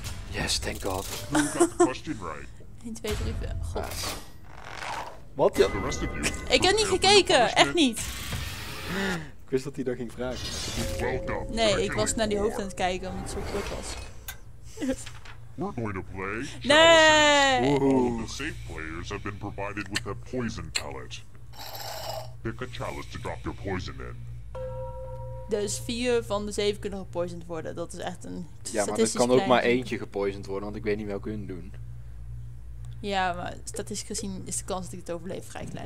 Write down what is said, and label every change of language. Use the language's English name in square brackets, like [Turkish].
[English] Yes, thank god. Who got the question right? 1, 2, 3, 4, god. [Dutch] Wat? Ja, de rest [English] of you. [Dutch] Ik heb niet gekeken, echt niet. Ik wist dat hij dat ging vragen. Nee, ik was naar die hoofd aan het kijken omdat het zo kort was. [English] We're going to play. [Dutch] Nee! [English] All of the safe players have been provided with a poison pellet. Pick a chalice to drop your poison in. [Dutch] Dus 4 van de 7 kunnen gepoisoned worden. Dat is echt een statistisch. Ja, maar er kan ook maar eentje gepoisoned worden, want ik weet niet welke hun doen. Ja, maar statistisch gezien is de kans dat ik het overleef vrij klein.